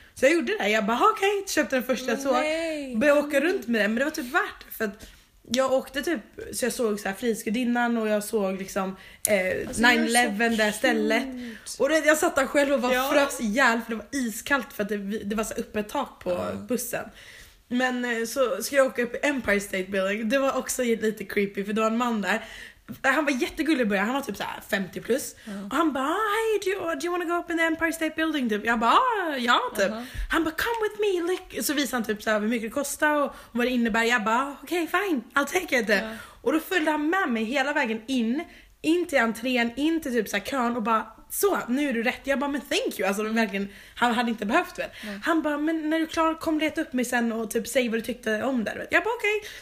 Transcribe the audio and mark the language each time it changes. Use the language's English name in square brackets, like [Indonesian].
[Swedish] Så jag gjorde det. Jag bara, okej, köpte den första jag såg. Började åka runt med den. Men det var typ värt det, för att jag åkte typ, så jag såg så här frisgudinnan, och jag såg liksom alltså, 9-11 där stället. Och det, jag satt där själv och var frös ihjäl, för det var iskallt, för att det var så öppet tak på bussen. Men så ska jag åka upp Empire State Building. Det var också lite creepy, för det var en man där. Han var jättegullig i början, han var typ så här 50 plus. [English] Och han bara, hey, do you want to go up in the Empire State Building? Typ. Jag bara, ja, typ. Han bara, come with me, look. [Swedish] Så visade han typ så här hur mycket det kostar och vad det innebär. Jag bara, okej, fine, I'll take it. Och då följde han med mig hela vägen in till entrén, in till typ så här kön, och bara, så, nu är du rätt. Jag bara, men thank you. Alltså, verkligen, han hade inte behövt väl. Han bara, men när du är klar, kom leta upp mig sen och typ säg vad du tyckte om det. Jag bara, okej.